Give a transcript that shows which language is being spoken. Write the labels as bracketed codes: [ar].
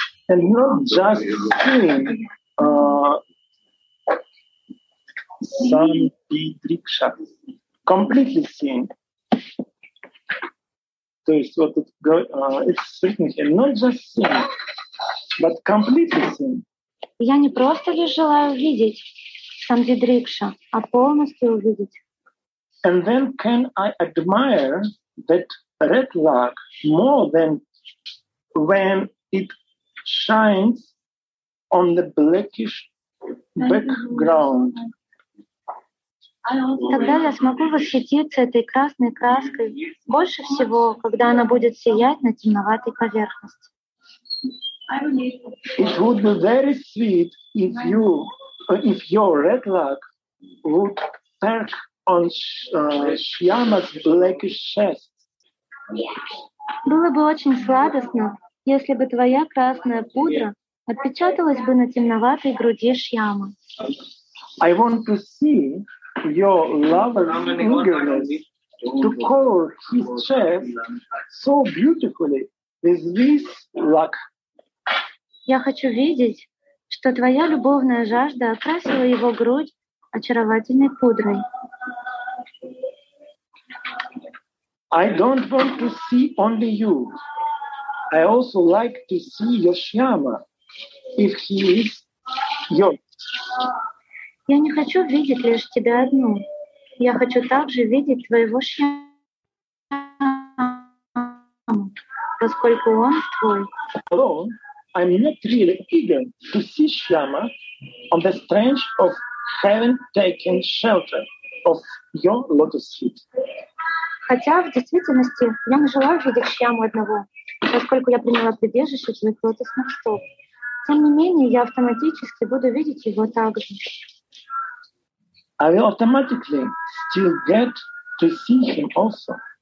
[en] And not just seeing Sampidriksha, completely seeing. [ru] То есть вот тут [en] it's written here, not just seeing, but completely seeing. [ru] Я не просто лишь желаю увидеть Сампидрикша, а полностью увидеть. [en] And then can I admire that red log more than when it shines on the blackish background? [ru] Тогда я смогу восхититься этой красной краской больше всего, когда она будет сиять на темноватой поверхности. [en] It would be very sweet if your red log would perk on Shyama's blackish chest. [ru] Было бы очень сладостно, если бы твоя красная пудра отпечаталась бы на темноватой груди Шьямы. [en] I want to see your lover's eagerness to color his chest so beautifully with this luck. [ru] Я хочу видеть, что твоя любовная жажда окрасила его грудь очаровательной пудрой. [en] I don't want to see only you. I also like to see your Shyama, if he is yours. [ru] Я не хочу видеть лишь тебя одну. Я хочу также видеть твоего Shyama, поскольку он твой. [en] Alone, I'm not really eager to see Shyama on the strange of heaven taking shelter of your lotus feet. [ru] Хотя, в действительности, я не желаю видеть Шьяму одного, поскольку я приняла прибежище в своих лотосных стоп. Тем не менее, я автоматически буду видеть его также. [en] I will automatically still get to see him also.